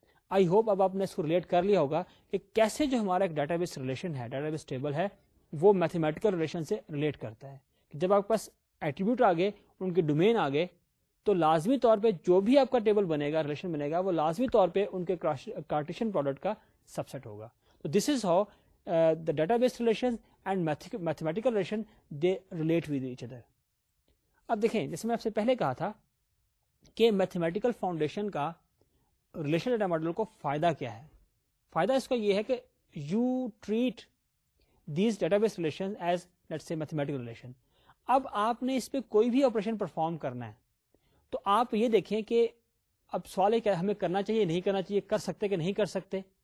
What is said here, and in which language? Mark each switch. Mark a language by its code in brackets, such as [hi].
[ur] I hope اب آپ نے اس کو ریلیٹ کر لیا ہوگا کہ کیسے جو ہمارا ایک ڈیٹا بیس ریلیشن ہے, ڈیٹا بیس ٹیبل ہے, وہ میتھمیٹیکل ریلیشن سے ریلیٹ کرتا ہے. جب آپ کے پاس ایٹریبیوٹ آ گئے, ان کے ڈومین آ گئے, تو لازمی طور پہ جو بھی آپ کا ٹیبل بنے گا ریلیشن بنے گا وہ لازمی طور پہ ان کے کارٹیشن پروڈکٹ کا سب سیٹ ہوگا. [en] تو this is how the database relation and mathematical relation they relate with each other. [ur] اب دیکھیں جیسے میں آپ سے پہلے کہا تھا کہ میتھمیٹیکل فاؤنڈیشن کا ریلیشن ڈیٹا ماڈل کو فائدہ کیا ہے. فائدہ اس کا یہ ہے کہ [en] You treat these database relation as let's say mathematical relation. [ur] اب آپ نے اس پہ کوئی بھی آپریشن پرفارم کرنا ہے تو آپ یہ دیکھیں کہ اب سوال ہے کیا ہمیں کرنا چاہیے نہیں کرنا چاہیے, کر سکتے کہ نہیں کر سکتے.